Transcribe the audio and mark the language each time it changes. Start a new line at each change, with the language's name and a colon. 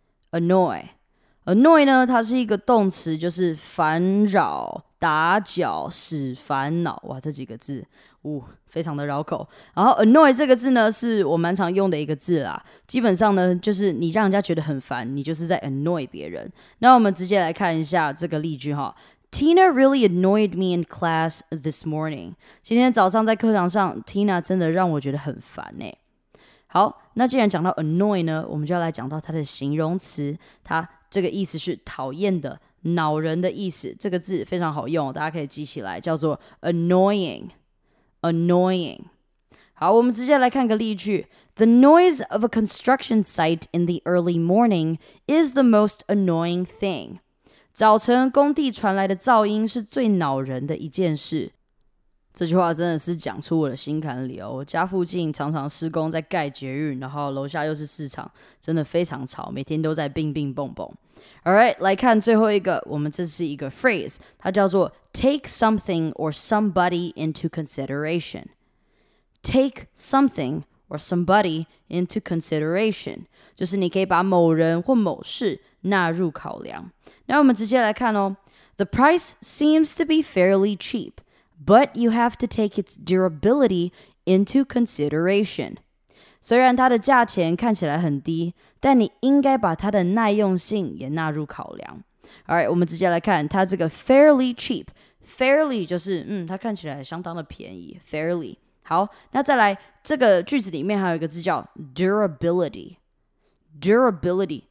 Chinese: Annoy Annoy 呢，它是一个动词，就是烦扰、打搅、使烦恼。哇，这几个字，非常的绕口。然后 annoy 这个字呢，是我蛮常用的一个字啦。基本上呢，就是你让人家觉得很烦，你就是在 annoy 别人。那我们直接来看一下这个例句哈。
English: Tina really annoyed me in class this morning.
Chinese: 今天早上在课堂上 ，Tina 真的让我觉得很烦欸。好，那既然讲到 annoy 呢，我们就要来讲到它的形容词，它。这个意思是讨厌的、恼人的意思。这个字非常好用，大家可以记起来，叫做 annoying。annoying。好，我们直接来看个例句。
English: The noise of a construction site in the early morning is the most annoying thing.
Chinese: 早晨工地传来的噪音是最恼人的一件事。这句话真的是讲出我的心坎里哦。我家附近常常施工在盖捷运，然后楼下又是市场，真的非常吵，每天都在乒乒蹦蹦。 Alright, 来看最后一个，我们这是一个 phrase, 它叫做
English: take something or somebody into consideration. Take something or somebody into consideration.
Chinese: 就是你可以把某人或某事纳入考量。那我们直接来看哦。
English: The price seems to be fairly cheap. But you have to take its durability into consideration.
Chinese: 虽然它的价钱看起来很低，但你应该把它的耐用性也纳入考量。 Alright, 我们直接来看它这个
English: fairly cheap.
Chinese: Fairly 就是它看起来相当的便宜。Fairly. 好，那再来这个句子里面还有一个字叫 durability. Durability.